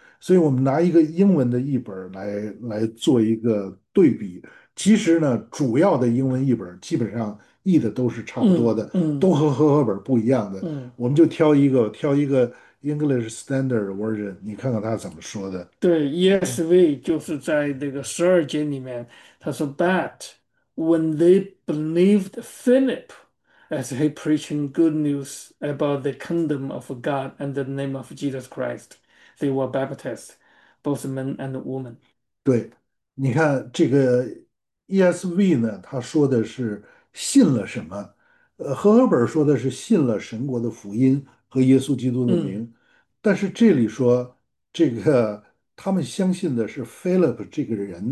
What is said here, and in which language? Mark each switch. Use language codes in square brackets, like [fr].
[zh] 所以我们拿一个英文的译本来做一个对比。其实呢，主要的英文译本基本上译的都是差不多的，都和和合本不一样的。我们就挑一个 English Standard Version，你看看他怎么说的。对，ESV 就是在那个12节里面，他说：“ [en] But when they believed Philip as he preaching good news about the kingdom of God and the name of Jesus Christ, they were baptized, both men and women.” [zh] 对，你看这个ESV 呢，他说的是信了什么？和合本说的是信了神国的福音和耶稣基督的名，但是这里说这个他们相信的是 Philip 这个人。